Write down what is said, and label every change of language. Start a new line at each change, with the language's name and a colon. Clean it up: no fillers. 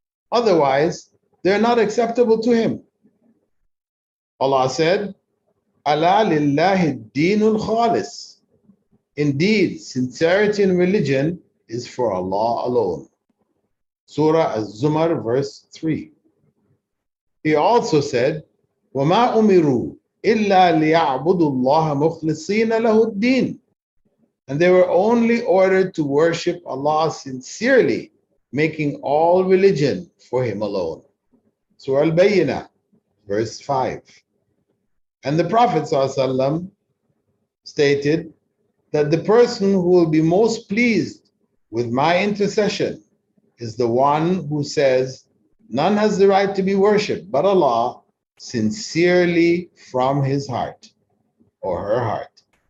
English: Otherwise, they're not acceptable to him. Allah said,
Arabic: Ala lillahi dinul khalis.
English: Indeed, sincerity in religion is for Allah alone. Surah Az-Zumar, verse 3. He also said,
Arabic: وَمَا أُمِرُوا إِلَّا لِيَعْبُدُوا اللَّهَ مُخْلِصِينَ لَهُ الدِّينَ.
English: And they were only ordered to worship Allah sincerely, making all religion for him alone. Surah Al-Bayyinah, verse 5. And the Prophet ﷺ stated that the person who will be most pleased with my intercession is the one who says, none has the right to be worshipped but Allah sincerely from his heart or her heart.